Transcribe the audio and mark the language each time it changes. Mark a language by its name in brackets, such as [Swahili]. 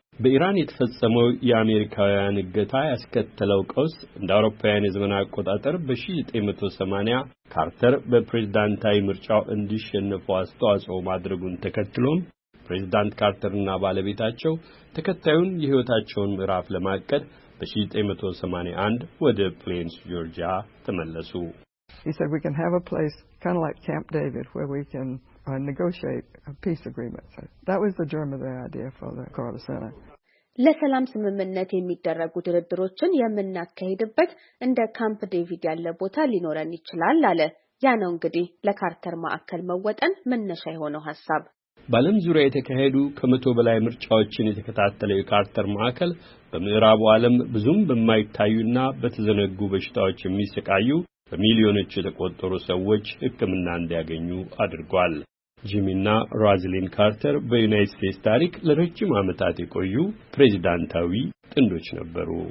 [Amharic] በኢራን የተፈጸመው የአሜሪካውያን እገታ ያስከተለው ቀውስ እንደ አውሮፓውያን የዘመን አቆጣጠር በ1980 ካርተር በፕሬዝዳንታዊ ምርጫው እንዲሸነፉ አስተዋጽኦ ማድረጉን ተከትሎም ፕሬዝዳንት ካርተርና ባለቤታቸው ተከታዩን የህይወታቸውን ምዕራፍ ለማቀድ በ1981 ወደ ፕሌንስ ጆርጂያ ተመለሱ። [English] He said we can have a place kind of like Camp David where we can negotiate a peace agreement. So that was the germ of the idea for the Carter Center. [Amharic] ለሰላም ስምምነት የሚደረጉ ድርድሮችን የምናካሄድበት እንደ ካምፕ ዴቪድ ያለ ቦታ ሊኖረን ይችላል አለ። ያ ነው እንግዲህ ለካርተር ማዕከል መወጠን መነሻ የሆነው ሐሳብ። በዓለም ዙሪያ የተካሄዱ ከመቶ በላይ ምርጫዎችን የተከታተለው የካርተር ማዕከል በምዕራቡ ዓለም ብዙም በማይታዩና በተዘነጉ በሽታዎች የሚሰቃዩ በሚሊዮኖች የተቆጠሩ ሰዎች ሕክምና እንዲያገኙ አድርጓል። ጂሚና ራዝሊን ካርተር በዩናይትድ ስቴትስ ታሪክ ለረጅም ዓመታት የቆዩ ፕሬዚዳንታዊ ጥንዶች ነበሩ።